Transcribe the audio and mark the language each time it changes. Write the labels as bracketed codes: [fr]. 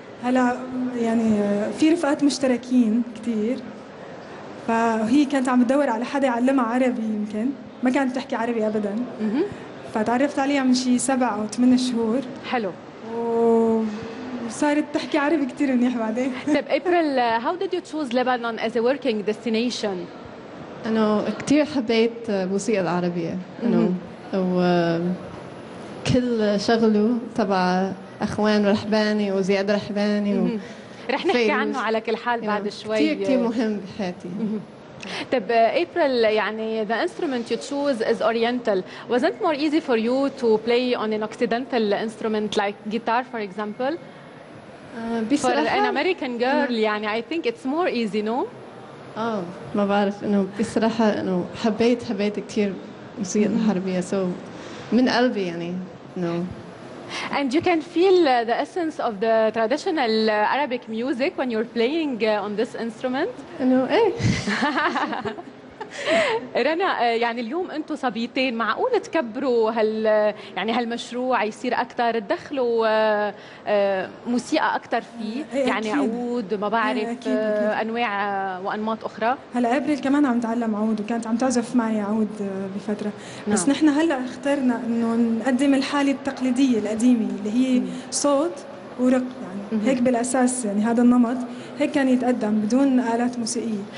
[ar] هلا يعني في رفقات مشتركين كثير فهي كانت عم تدور على حدا يعلمها عربي يمكن ما كانت تحكي عربي ابدا فتعرفت عليها من شي 7 أو 8 شهور حلو وصارت تحكي عربي كتير منيح بعدين [en] طيب ابريل how did you choose Lebanon as a working destination؟ [ar] أنا كتير حبيت الموسيقى العربية كل شغله تبع أخوان رحباني وزياد رحباني رح نحكي عنه على كل حال بعد شوي كتير كتير مهم بحياتي طب ابريل يعني [en] the instrument you choose is oriental wasn't more easy for you to play on an occidental instrument like guitar for example for an American girl [ar] يعني [en] I think it's more easy no [ar] ما بعرف انه بصراحه انه حبيت كثير الموسيقى العربيه [en] so [ar] من قلبي يعني [en] no And you can feel the essence of the traditional Arabic music when you're playing on this instrument. No, eh. [ar] رنا يعني اليوم انتم صبيتين معقول تكبروا يعني هالمشروع يصير اكثر تدخلوا موسيقى اكثر فيه يعني عود ما بعرف انواع وانماط اخرى هلا ابريل كمان عم تعلم عود وكانت عم تعزف معي عود بفتره بس نحن هلا اخترنا انه نقدم الحاله التقليديه القديمه اللي هي صوت ورق يعني هيك بالاساس يعني هذا النمط هيك كان يتقدم بدون آلات موسيقية